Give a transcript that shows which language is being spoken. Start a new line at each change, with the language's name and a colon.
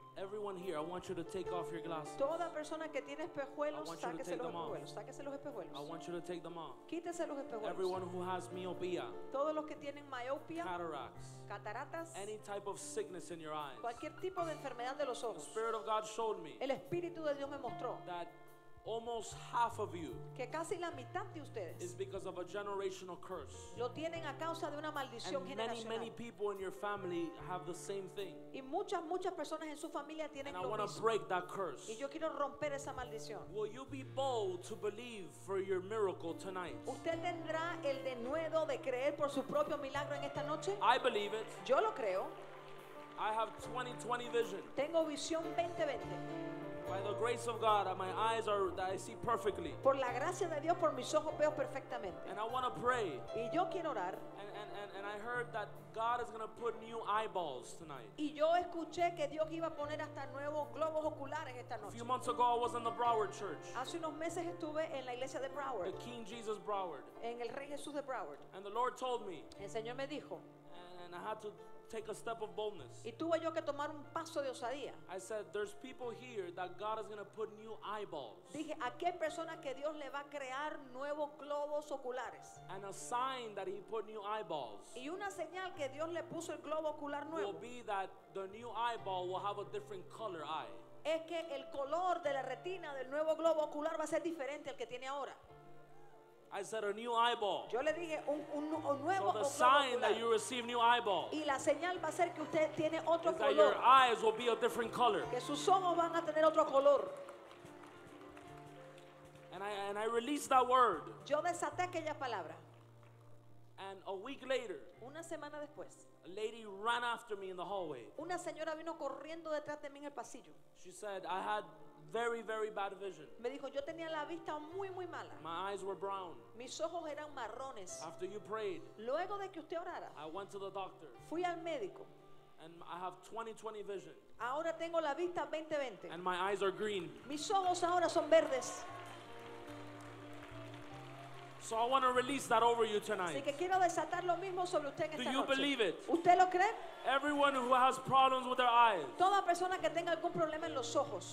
English: Everyone here, I want you to take off your glasses.
Spanish: Toda persona que tiene espejuelos, sáquese los espejuelos. Sáquese los espejuelos.
English: I want you to take them off.
Spanish: Quítese los espejuelos.
English: Everyone who has myopia.
Spanish: Todos los que tienen miopía.
English: Cataracts.
Spanish: Cataratas.
English: Any type of sickness in your eyes.
Spanish: Cualquier tipo de enfermedad de los ojos.
English: The Spirit of God showed me.
Spanish: El Espíritu de Dios me mostró.
English: That almost half of you
Spanish: que casi la mitad de ustedes
English: is because of a generational curse.
Spanish: Lo tienen a causa de una maldición
English: and
Spanish: generacional.
English: Many people in your family have the same thing.
Spanish: Y muchas personas en su familia tienen
English: and
Spanish: lo
English: I want
Spanish: mismo.
English: To break that curse.
Spanish: Y yo quiero romper esa maldición.
English: Will you be bold to believe for your miracle tonight?
Spanish: ¿Usted tendrá el denuedo de creer por su propio milagro en esta noche?
English: I believe it.
Spanish: Yo lo creo.
English: I have 20/20 vision.
Spanish: Tengo visión 20/20.
English: By the grace of God, my eyes are that I see perfectly.
Spanish: Por la gracia de Dios, por mis ojos veo perfectamente.
English: And I want to pray.
Spanish: Y yo quiero orar.
English: And I heard that God is going to put new eyeballs tonight.
Spanish: Y yo escuché que Dios iba a poner hasta nuevos globos oculares esta noche.
English: A few months ago, I was in the Broward Church.
Spanish: Hace unos meses estuve en la iglesia de Broward.
English: The King Jesus Broward.
Spanish: En el Rey Jesús de Broward.
English: And the Lord told me.
Spanish: El Señor me dijo.
English: And I had to take a step of boldness.
Spanish: Y tuve yo que tomar un paso de osadía.
English: I said, there's people here that God is going to put new eyeballs.
Spanish: Dije, aquí hay personas que Dios le va a crear nuevos globos oculares.
English: And a sign that he put new eyeballs.
Spanish: Y una señal que Dios le puso el globo ocular nuevo.
English: Will be that the new eyeball will have a different color eye.
Spanish: Es que el color de la retina del nuevo globo ocular va a ser diferente al que tiene ahora.
English: I said a new eyeball.
Spanish: Yo le dije un nuevo.
English: So the sign that you receive new eyeball.
Spanish: Y la señal va a ser que usted tiene otro color.
English: That your eyes will be a different color.
Spanish: Que sus ojos van a tener otro color.
English: And I released that word.
Spanish: Yo desaté aquella palabra.
English: And a week later.
Spanish: Una semana después.
English: A lady ran after me in the hallway.
Spanish: Una señora vino corriendo detrás de mí en el pasillo.
English: She said I had very, very bad vision.
Spanish: Me dijo, yo tenía la vista muy, muy mala.
English: My eyes were brown.
Spanish: Mis ojos eran marrones.
English: After you prayed,
Spanish: luego de que usted orara,
English: I went to the doctor.
Spanish: Fui al médico.
English: And I have 20/20 vision.
Spanish: Ahora tengo la vista 20/20.
English: And my eyes are green.
Spanish: Mis ojos ahora son verdes.
English: So I want to release that over you tonight.
Spanish: Así que quiero desatar lo mismo sobre usted en esta noche.
English: Do you believe it?
Spanish: ¿Usted lo cree?
English: Everyone who has problems with their eyes.
Spanish: Toda persona que tenga algún problema en los ojos.